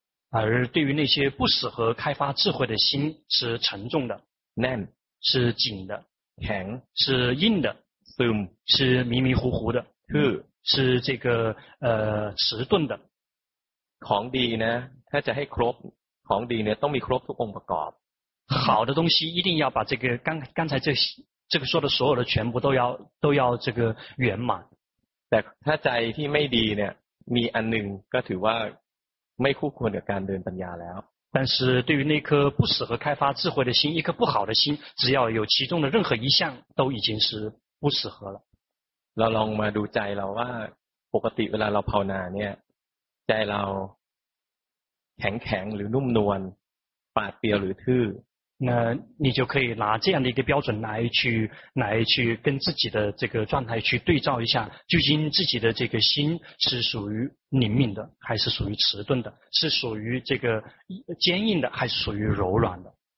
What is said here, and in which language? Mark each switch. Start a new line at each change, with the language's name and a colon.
Chinese: 而对于那些不适合开发智慧的心是沉重的
Thai: แน่น
Chinese: 是紧的
Thai: แข็ง
Chinese: 是硬的
Thai: ซึม
Chinese: 是迷迷糊糊的是这个迟钝的
Thai: ของดีนะถ้าจะให้ครบของดีเนี่ยต้องมีครบทุกองค์ประกอบ
Chinese: 好的东西一定要把这个刚才这个说的所有的全部都要这个圆满
Thai: แต่ถ้าใจที่ไม่ดีเนี่ยมีอันหนึ่งก็ถือว่าไม่คู่ควรกับการเดินปัญญาแล้ว
Chinese: 但是对于那颗不适合开发智慧的心一颗不好的心只要有其中的任何一项都已经是不适合了
Thai: เราลองมาดูใจเราว่าปกติเวลาเราภาวนาเนี่ยใจเราแข็งหรือนุ่มนวลปราดเปรียวหรือทื่อ
Chinese: 那你就可以拿这样的一个标准来去跟自己的这个状态去对照一下究竟自己的这个心是属于灵敏的还是属于迟钝的是属于这个坚硬的还是属于柔软的